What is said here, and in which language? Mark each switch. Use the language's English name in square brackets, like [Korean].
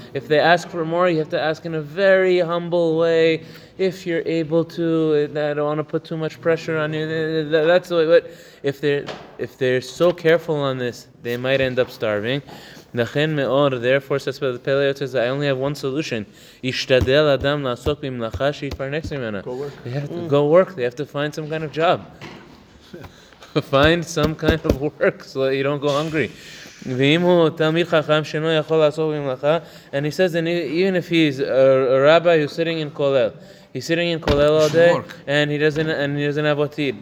[English] If they ask for more, you have to ask in a very humble way, if you're able to, I don't want to put too much pressure on you, that's the way. But if they're so careful on this, they might end up starving. [Hebrew] נחן מאוד, [English] therefore says the Pele Yoetz says, I only have one solution. [Hebrew] ישתדל אדם לעסוק במלאכה שיתפרנס ממנה. [English] Go work. They have to go work. They have to find some kind of job. Find some kind of work so that you don't go hungry. [Hebrew] ואם הוא תלמיד חכם שאינו יכול לעסוק במלאכה, [English] and he says, even if he's a rabbi who's sitting in Kollel, he's sitting in Kollel all day, and he doesn't have atid.